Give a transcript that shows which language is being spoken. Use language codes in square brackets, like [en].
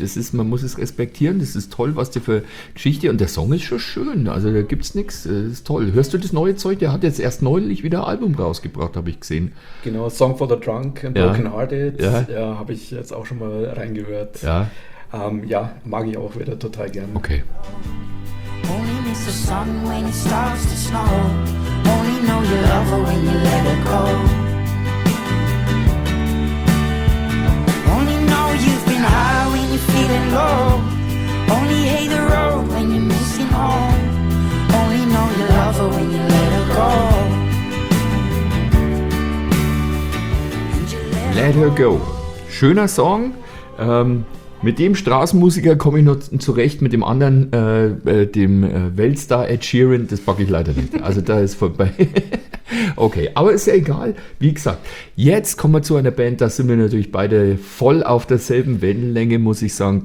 [de] Das ist, man muss es respektieren. Das ist toll, was der für Geschichte. Und der Song ist schon schön. Also da gibt es nichts. Das ist toll. Hörst du das neue Zeug? Der hat jetzt erst neulich wieder ein Album rausgebracht, habe ich gesehen. Genau, Song for the Drunk and Broken Hearted. Ja, ja, habe ich jetzt auch schon mal reingehört. Ja. Ja, mag ich auch wieder total gern. Okay. [en] Only miss the sun when it starts to snow. Only know you love her when you let her go. Only know you've been high when you're feeling low. Only hate the road when you're missing home. Only know you love her when you let her go. Let her go. [de] Schöner Song. Mit dem Straßenmusiker komme ich noch zurecht, mit dem anderen, dem Weltstar Ed Sheeran, das packe ich leider nicht. Also da ist vorbei. Okay, aber ist ja egal. Wie gesagt, jetzt kommen wir zu einer Band, da sind wir natürlich beide voll auf derselben Wellenlänge, muss ich sagen.